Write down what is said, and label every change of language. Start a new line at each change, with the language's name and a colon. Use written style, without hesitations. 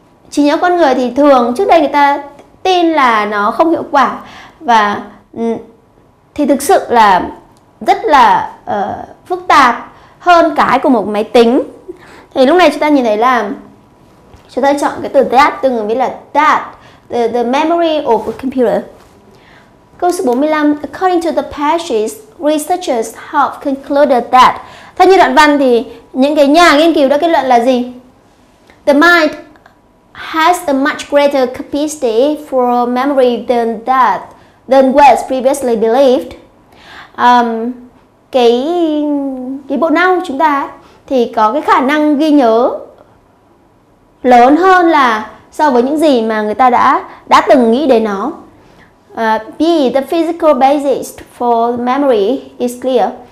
Vietnamese: Trí nhớ con người thì thường trước đây người ta tin là nó không hiệu quả, và thì thực sự là rất là phức tạp hơn cái của một máy tính. Thì lúc này chúng ta nhìn thấy là chúng ta chọn cái từ that, tương ứng với là
English: that, the memory of a computer.
Vietnamese: Câu số 45,
English: according to the passage, researchers have concluded that.
Vietnamese: Theo như đoạn văn thì những cái nhà nghiên cứu đã kết luận là gì?
English: The mind has a much greater capacity for memory than that, than was previously believed.
Vietnamese: Cái bộ não chúng ta thì có cái khả năng ghi nhớ lớn hơn là so với những gì mà người ta đã từng nghĩ đến nó.
English: B, the physical basis for memory is clear.